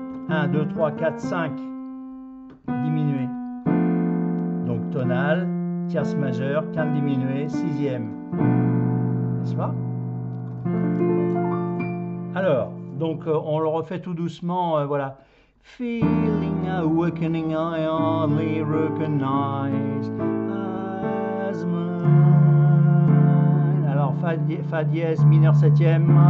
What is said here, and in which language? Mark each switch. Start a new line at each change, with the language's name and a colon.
French: 1, 2, 3, 4, 5. Diminuée. Donc, tonale, tierce majeure, quinte diminuée, sixième. N'est-ce pas? Alors. Donc, on le refait tout doucement, voilà.
English: Feeling awakening, I only recognize as mine.
French: Alors, fa dièse, mineur septième.